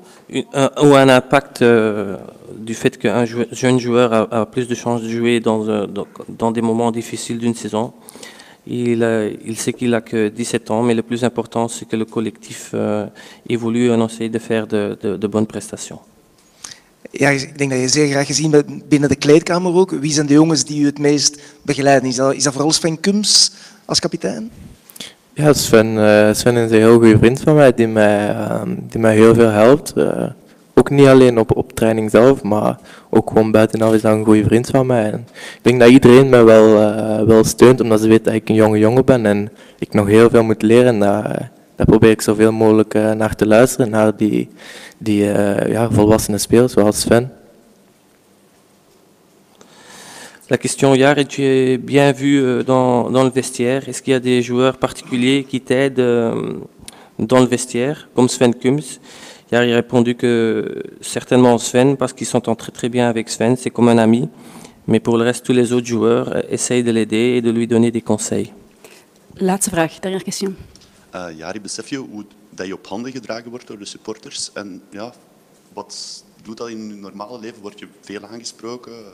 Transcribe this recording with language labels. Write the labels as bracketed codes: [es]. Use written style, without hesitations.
[fr] Ou un impact du fait qu'un jeune joueur a plus de chances de jouer dans des moments difficiles d'une saison. Il sait qu'il n'a que 17 ans, mais le plus important, c'est que le collectif évolue et on essaie de faire de bonnes prestations. [nl] Ja, ik denk dat je zeer graag gezien bent binnen de kleedkamer ook. Wie zijn de jongens die u het meest begeleiden? Is dat vooral Sven Kums als kapitein? Ja, Sven is een heel goede vriend van mij die mij heel veel helpt. Ook niet alleen op training zelf, maar ook gewoon buitenaf is dat een goede vriend van mij. En ik denk dat iedereen mij wel steunt, omdat ze weten dat ik een jonge jongen ben en ik nog heel veel moet leren. Daar probeer ik zoveel mogelijk naar te luisteren, naar die volwassenen spelers zoals Sven. [fr] La question, Yari, tu es bien vu dans le vestiaire. Est-ce qu'il y a des joueurs particuliers qui t'aident dans le vestiaire, comme Sven Kums? Yari a répondu que certainement Sven, parce qu'ils s'entendent très très bien avec Sven, c'est comme un ami. Mais pour le reste, tous les autres joueurs essayent de l'aider et de lui donner des conseils. [nl] Laatste vraag, [fr] dernière question. [nl] Yari, besef je hoe dat je op handen gedragen wordt door de supporters? En ja, wat doet dat in je normale leven? Word je veel aangesproken?